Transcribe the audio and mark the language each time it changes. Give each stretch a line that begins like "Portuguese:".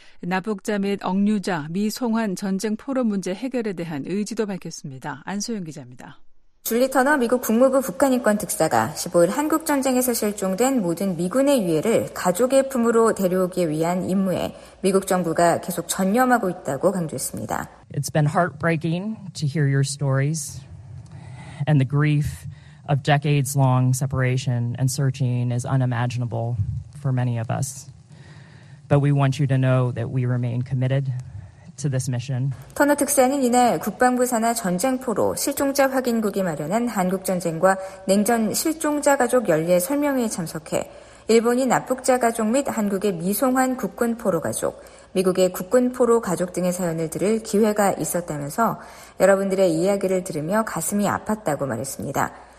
Korean: 납북자 및 억류자, 미송환 전쟁 포로 문제 해결에 대한 의지도 밝혔습니다. 안소영 기자입니다. 줄리 터너 미국 국무부 북한인권특사가 15일 한국전쟁에서 실종된 모든 미군의 유해를 가족의 품으로 데려오기 위한 임무에 미국 정부가 계속 전념하고 있다고 강조했습니다.
English: It's been heartbreaking to hear your stories and the grief of decades-long separation and searching is unimaginable for many of us. But we want you to know that we remain committed.
Korean: 터너 특사는 이날 국방부 산하 전쟁포로 실종자 확인국이 마련한 한국전쟁과 냉전 실종자 가족 연례 설명회에 참석해 일본이 납북자 가족 및 한국의 미송환 국군포로 가족, 미국의 국군포로 가족 등의 사연을 들을 기회가 있었다면서 여러분들의 이야기를 들으며 가슴이 아팠다고 말했습니다.